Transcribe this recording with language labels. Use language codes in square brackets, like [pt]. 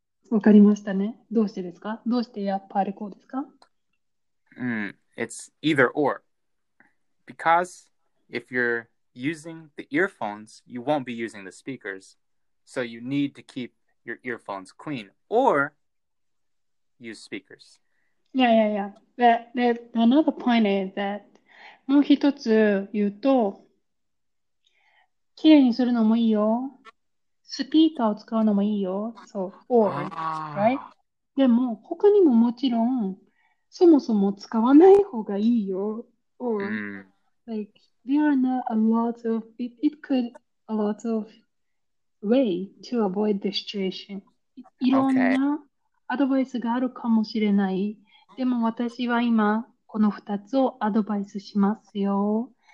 [ja] わかりましたね。どうしてですか？どうしてやっぱりこうですか？ [en] It's either or. Because if you're using the earphones, you won't be using the speakers. So you need to keep your earphones clean or use speakers. But another point is that [ja] もう一つ言うと、きれいにするのもいいよ。スピーカーを使うのもいいよ。 [en] So, or, right? [ja] でも、他にももちろん、そもそも使わない方がいいよ。 [en] Or, like, there are not a lot of, it could, a lot of way to avoid the situation. [ja] いろんなアドバイスがあるかもしれない。でも私は今この2つをアドバイスしますよ。